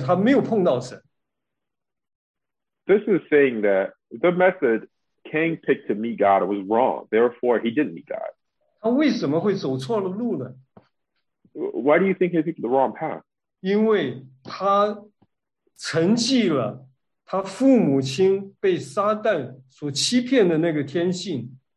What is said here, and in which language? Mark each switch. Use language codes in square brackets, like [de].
[zh] 该隐呢，他用的方法走错路了，所以呢，他没有碰到神。This [en] is saying that the method Cain picked to meet God was wrong, therefore he didn't meet God. [zh] 他为什么会走错了路呢？ [en] Why do you think he picked the wrong path? [zh] 因为他沉寂了他父母亲被撒旦所欺骗的那个天性。